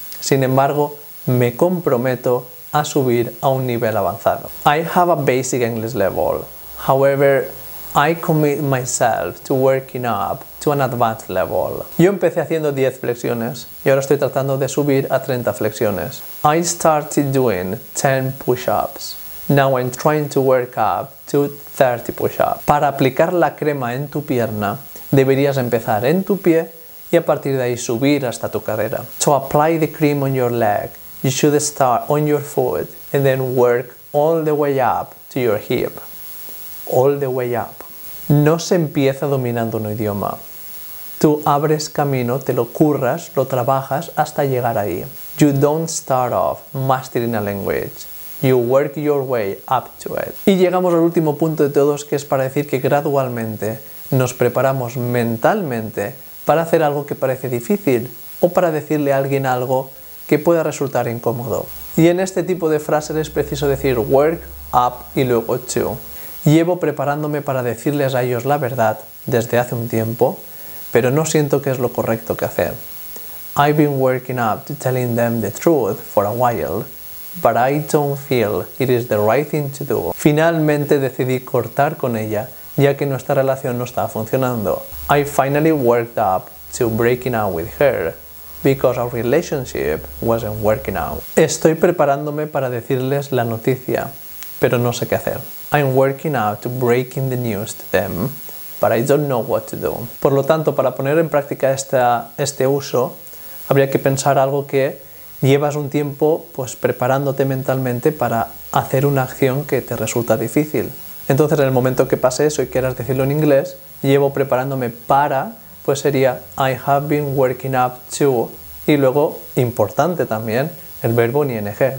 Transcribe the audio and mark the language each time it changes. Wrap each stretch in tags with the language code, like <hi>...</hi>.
<es>Sin embargo, me comprometo a subir a un nivel avanzado.</es> <en>I have a basic English level. However, I commit myself to working up to an advanced level.</en> <es>Yo empecé haciendo 10 flexiones y ahora estoy tratando de subir a 30 flexiones.</es> <en>I started doing 10 push-ups. Now I'm trying to work up to 30 push-ups.</en> <es>Para aplicar la crema en tu pierna, deberías empezar en tu pie y a partir de ahí subir hasta tu cadera.</es> <en>To apply the cream on your leg, you should start on your foot and then work all the way up to your hip. All the way up.</en> <es>No se empieza dominando un idioma. Tú abres camino, te lo curras, lo trabajas hasta llegar ahí.</es> <en>You don't start off mastering a language. You work your way up to it.</en> <es>Y llegamos al último punto de todos, que es para decir que gradualmente nos preparamos mentalmente para hacer algo que parece difícil o para decirle a alguien algo que pueda resultar incómodo. Y en este tipo de frases es preciso decir work, up y luego to. Llevo preparándome para decirles a ellos la verdad desde hace un tiempo, pero no siento que es lo correcto que hacer.</es> <en>I've been working up to telling them the truth for a while, but I don't feel it is the right thing to do.</en> <es>Finalmente decidí cortar con ella, ya que nuestra relación no estaba funcionando.</es> <en>I finally worked up to breaking up with her, because our relationship wasn't working out.</en> <es>Estoy preparándome para decirles la noticia, pero no sé qué hacer.</es> <en>I'm working out to breaking the news to them, but I don't know what to do.</en> <es>Por lo tanto, para poner en práctica este uso, habría que pensar algo que llevas un tiempo pues preparándote mentalmente para hacer una acción que te resulta difícil. Entonces, en el momento que pase eso y quieras decirlo en inglés, llevo preparándome para, pues sería</es> <en>I have been working up to,</en> <es>y luego, importante también, el verbo en ing.</es>